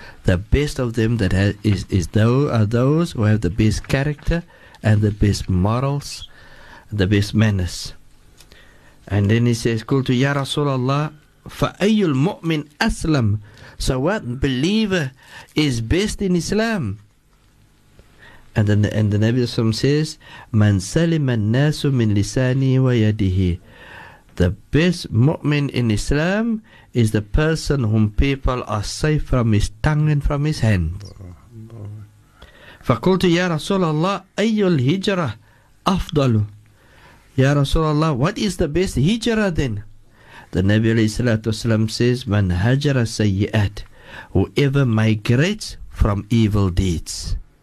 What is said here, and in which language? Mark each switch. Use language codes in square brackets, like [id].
[en] The best of them that are those who have the best character and the best morals, the best manners. And then he says, [ar] qultu ya Rasulullah, فَأَيُّ الْمُؤْمِنْ أَسْلَمْ. [en] So what believer is best in Islam? And then the Nabi says, [ar] مَنْ سَلِمَ النَّاسُ مِنْ لِسَانِهِ وَيَدِهِ. [en] The best mu'min in Islam is the person whom people are safe from his tongue and from his hand. [ar] فَقُلْتُ يَا رَسُولَ اللَّهِ أَيُّ الْهِجْرَةِ أَفْضَلُ. [en] Ya Rasulullah, what is the best hijrah then? The Nabi says, [ar] Man hajra sayyi'at, [en] whoever migrates from evil deeds.